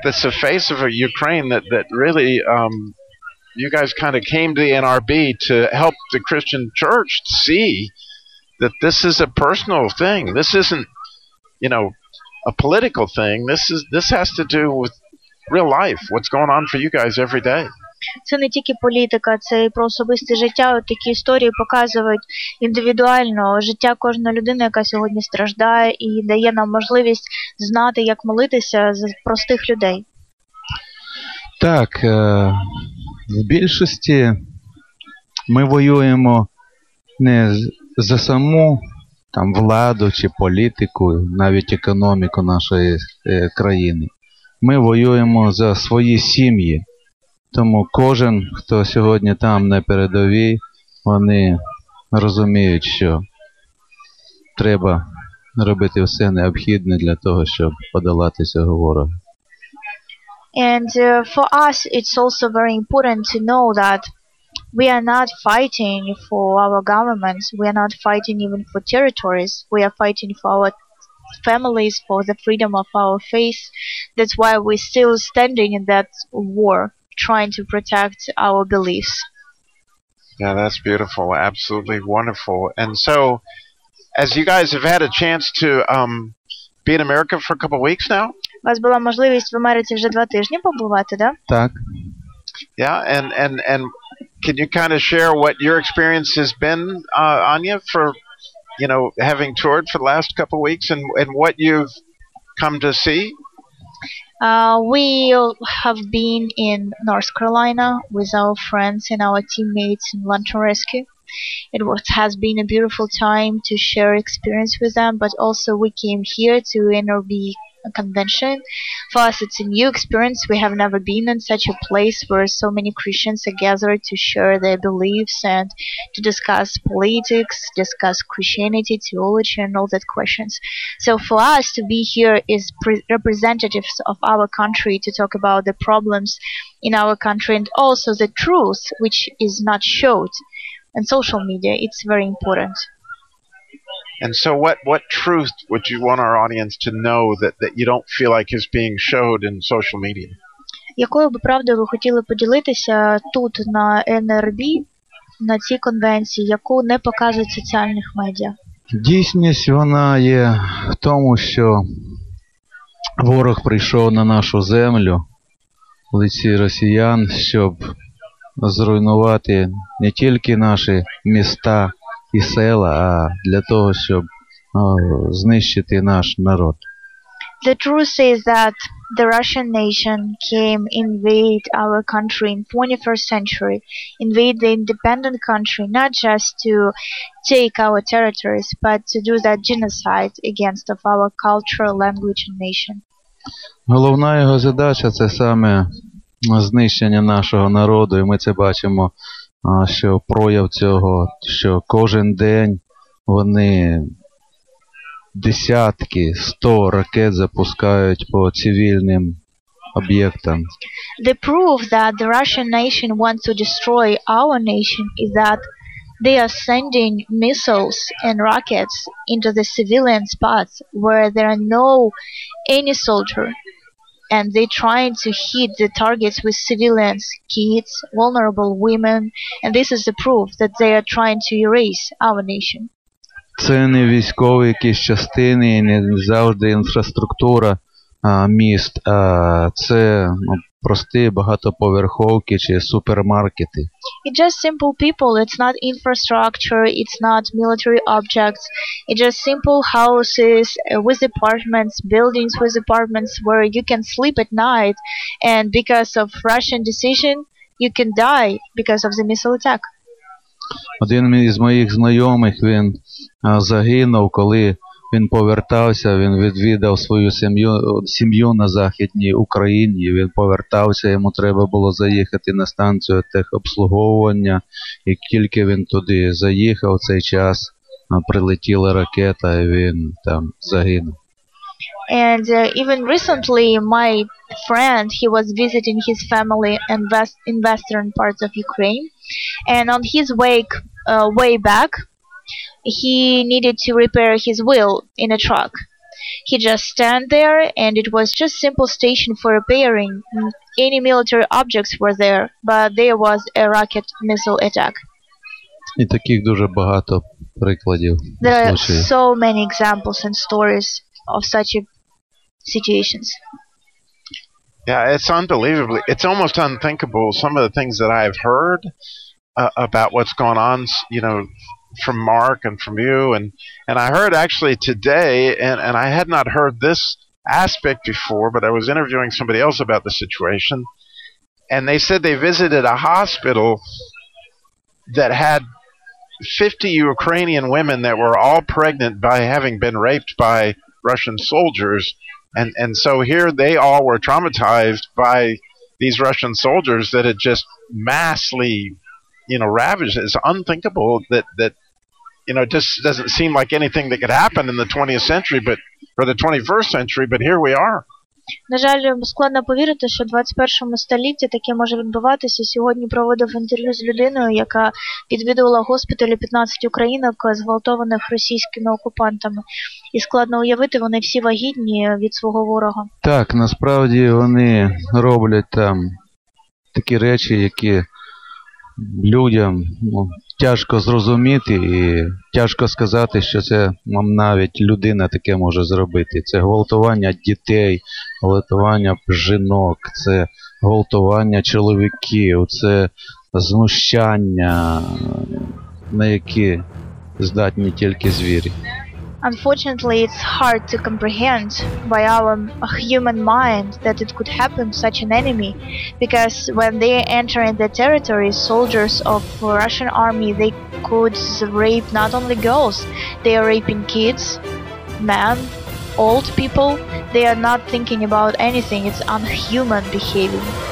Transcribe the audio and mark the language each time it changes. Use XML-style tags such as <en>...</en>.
<en>That's the face of a Ukraine that really, you guys kind of came to the NRB to help the Christian church see that this is a personal thing. This isn't, you know, a political thing. This has to do with real life, what's going on for you guys every day.</en> <uk>Це не тільки політика, це і про особисте життя. От такі історії показують індивідуально життя кожної людини, яка сьогодні страждає, і дає нам можливість знати, як молитися за простих людей. Так, в більшості ми воюємо не за саму там владу чи політику, навіть економіку нашої країни. Ми воюємо за свої сім'ї. Тому кожен, хто сьогодні там на передовій, вони розуміють, що треба робити все необхідне для того, щоб подолати цього ворога.</uk> <en>And for us it's also very important to know that we are not fighting for our governments, we are not fighting even for territories, we are fighting for our families, for the freedom of our faith. That's why we're still standing in that war, trying to protect our beliefs. Yeah, that's beautiful. Absolutely wonderful. And so, as you guys have had a chance to be in America for a couple of weeks now?</en> <uk>У вас була можливість в Америці вже 2 тижні побувати, да? Так.</uk> <en>Yeah, and can you kind of share what your experience has been, Anya, for, you know, having toured for the last couple of weeks and what you've come to see? We have been in North Carolina with our friends and our teammates in Lantern Rescue. It has been a beautiful time to share experience with them, but also we came here to NRB convention. For us, it's a new experience. We have never been in such a place where so many Christians are gathered to share their beliefs and to discuss politics, discuss Christianity, theology, and all that questions. So for us to be here is representatives of our country to talk about the problems in our country and also the truth, which is not showed in social media. It's very important. And so what truth would you want our audience to know that you don't feel like is being showed in social media?</en> <uk>Якою би правдою ви хотіли поділитися тут на NRB, на цій конвенції, яку не показують соціальних медіа? Дійсність вона є в тому, що ворог прийшов на нашу землю в лиці росіян, щоб зруйнувати не тільки наші міста і села, а для того, щоб знищити наш народ.</uk> <en>The truth is that the Russian nation came invade our country in 21st century, invade the independent country, not just to take our territories, but to do that genocide against of our culture, language and nation.</en> <uk>Головна його задача – це саме знищення нашого народу, і ми це бачимо, що прояв цього, що кожен день вони десятки, 100 ракет запускають по цивільним об'єктам.</uk> <en>The proof that the Russian nation wants to destroy our nation is that they are sending missiles and rockets into the civilian spots where there are no any soldier. And they're trying to hit the targets with civilians, kids, vulnerable women. And this is the proof that they are trying to erase our nation.</en> <uk>Це не військові якісь частини, не завжди інфраструктура міст, а це прості багатоповерховки чи супермаркети.</uk> <en>It's just simple people. It's not infrastructure. It's not military objects. It's just simple houses with apartments, buildings with apartments where you can sleep at night. And because of Russian decision, you can die because of the missile attack.</en> <uk>Один із моїх знайомих, він загинув, коли він повертався, він відвідав свою сім'ю на Західній Україні, він повертався, йому треба було заїхати на станцію техобслуговування, і тільки він туди заїхав, цей час прилетіла ракета, і він там загинув.</uk> <en>And even recently, my friend, he was visiting his family in western parts of Ukraine, and on his way back, he needed to repair his wheel in a truck. He just stand there, and it was just simple station for repairing. Any military objects were there, but there was a rocket missile attack.</en> <uk>І таких дуже багато прикладів.</uk> <en>There are so many examples and stories of such a situations. Yeah, it's unbelievable. It's almost unthinkable, some of the things that I've heard about what's going on, you know, from Mark and from you, and I heard actually today, and I had not heard this aspect before, but I was interviewing somebody else about the situation, and they said they visited a hospital that had 50 Ukrainian women that were all pregnant by having been raped by Russian soldiers, and so here they all were traumatized by these Russian soldiers that had just massively, you know, ravaged. It's unthinkable that you know, it just doesn't seem like anything that could happen in the 20th century, but for the 21st century, but here we are.</en> <uk>На жаль, складно повірити, що в 21 столітті таке може відбуватися. Сьогодні проводив інтерв'ю з людиною, яка відвідувала госпіталі 15 українок, зґвалтованих російськими окупантами. І складно уявити, вони всі вагітні від свого ворога. Так, насправді вони роблять там такі речі, які людям, ну, тяжко зрозуміти і тяжко сказати, що це навіть людина таке може зробити. Це гвалтування дітей, гвалтування жінок, це гвалтування чоловіків, це знущання, на які здатні тільки звірі.</uk> <en>Unfortunately, it's hard to comprehend by our human mind that it could happen to such an enemy, because when they enter in the territory, soldiers of Russian army, they could rape not only girls, they are raping kids, men, old people, they are not thinking about anything, it's unhuman behavior.</en>